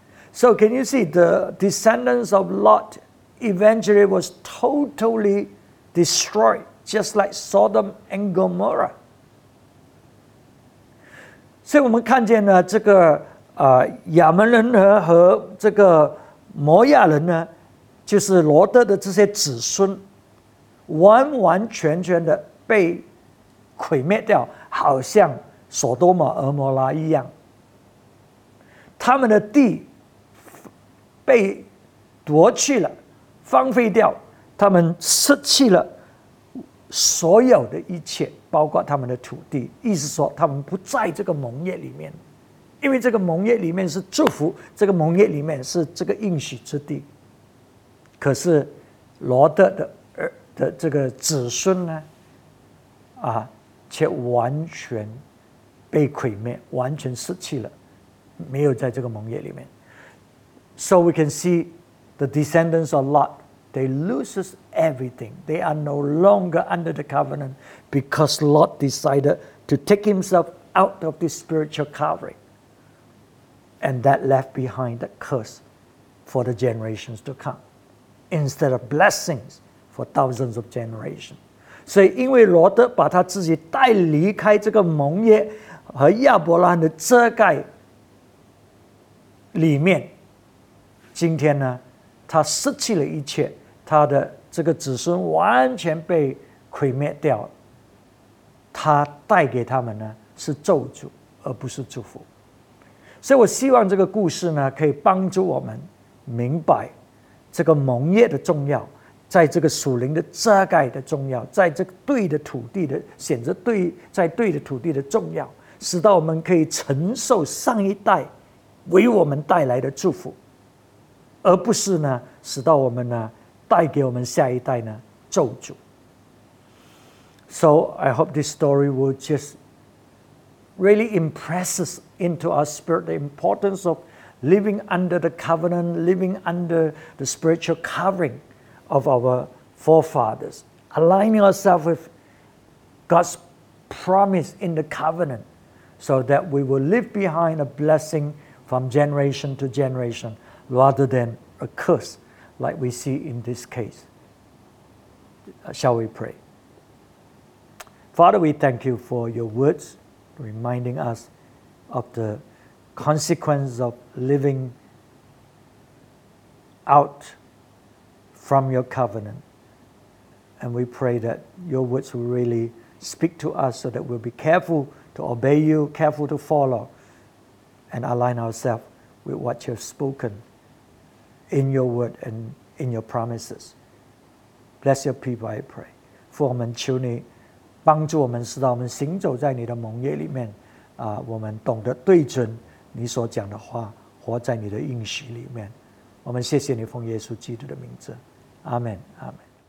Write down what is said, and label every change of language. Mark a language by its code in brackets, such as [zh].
[en] So can you see the descendants of Lot eventually was totally destroyed, just like Sodom and Gomorrah. [zh] 所以我们看见呢，这个亚门人和这个摩亚人呢，就是罗德的这些子孙，完完全全的被毁灭掉，好像索多玛、俄摩拉一样，他们的地被夺去了，荒废掉，他们失去了所有的一切，包括他们的土地。意思说，他们不在这个盟约里面，因为这个盟约里面是祝福，这个盟约里面是这个应许之地。可是罗德的这个子孙呢，却完全被毁灭，完全失去了，没有在这个盟约里面。 [en] So we can see the descendants of Lot, they lose everything. They are no longer under the covenant because Lot decided to take himself out of this spiritual covering. And that left behind the curse for the generations to come, instead of blessings for thousands of generations. [zh] 所以因为罗德把他自己带离开这个盟约和亚伯拉罕的遮盖里面，今天呢，他失去了一切，他的这个子孙完全被毁灭掉了。他带给他们呢是咒诅，而不是祝福。所以我希望这个故事呢，可以帮助我们明白这个盟约的重要，在这个属灵的遮盖的重要，在这个对的土地的选择，对在对的土地的重要，使到我们可以承受上一代为我们带来的祝福。而不是呢，使到我们呢，带给我们下一代呢咒诅。 [en] So I hope this story will just really impresses into our spirit the importance of living under the covenant, living under the spiritual covering of our forefathers, aligning ourselves with God's promise in the covenant, so that we will leave behind a blessing from generation to generation, rather than a curse, like we see in this case. Shall we pray? Father, we thank you for your words, reminding us of the consequence of living out from your covenant. And we pray that your words will really speak to us so that we'll be careful to obey you, careful to follow, and align ourselves with what you've spoken in your word and in your promises. Bless your people, I pray. [zh] 父，我们求你帮助我们，使到我们行走在你的盟约里面，我们懂得对准你所讲的话，活在你的应许里面。我们谢谢你，奉耶稣基督的名字。阿们，阿们。